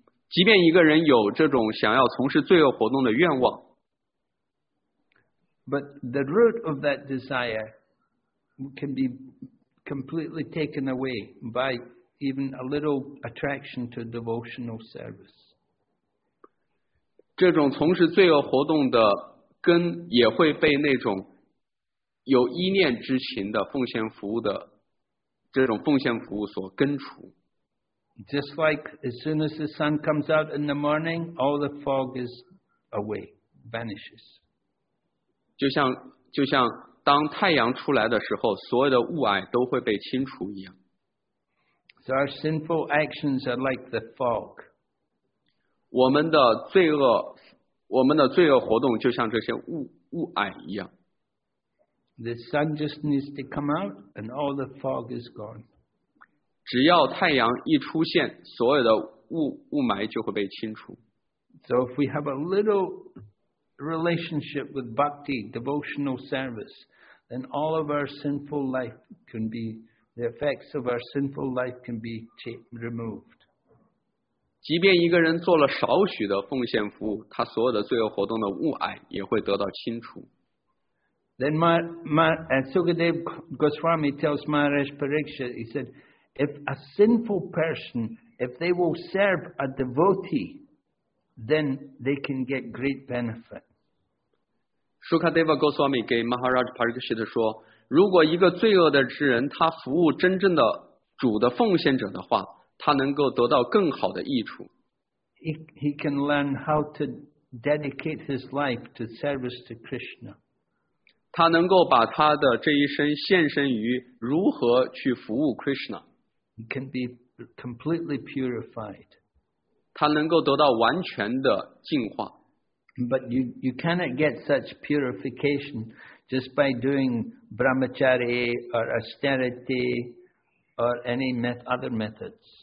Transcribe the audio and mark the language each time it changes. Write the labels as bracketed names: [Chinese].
[Chinese] 即便一个人有这种想要从事罪恶活动的愿望， [English] But the root of that desire can be completely taken away by even a little attraction to devotional service. [Chinese] 这种从事罪恶活动的根也会被那种有依恋之情的奉献服务的这种奉献服务所根除。 [English] Just like as soon as the sun comes out in the morning, all the fog is away, vanishes. [Chinese] 就像当太阳出来的时候，所有的雾霭都会被清除一样。 [English] So our sinful actions are like the fog. [Chinese] 我们的罪恶活动就像这些雾霭一样。 [English] The sun just needs to come out, and all the fog is gone. [Chinese] 只要太阳一出现，所有的雾霾就会被清除。 [English] So if we have a little relationship with bhakti, devotional service, then all of our sinful life can be, the effects of our sinful life can be removed. [Chinese] 即便一个人做了少许的奉献服务，他所有的罪恶活动的雾霭也会得到清除。 [English] Then Sukadev Goswami tells Maharaj Pariksit, he said,If a sinful person, if they will serve a devotee, then they can get great benefit. [Chinese] Sukadeva Goswami 给 Maharaj Pariksit 说，如果一个罪恶的之人，他服务真正的主的奉献者的话，他能够得到更好的益处。 [English] He can learn how to dedicate his life to service to Krishna. [Chinese] 他能够把他的这一生献身于如何去服务 Krishna。 [English] Can be completely purified. [Chinese] 他能够得到完全的净化。 [English] But you cannot get such purification just by doing brahmachari or austerity or any other methods.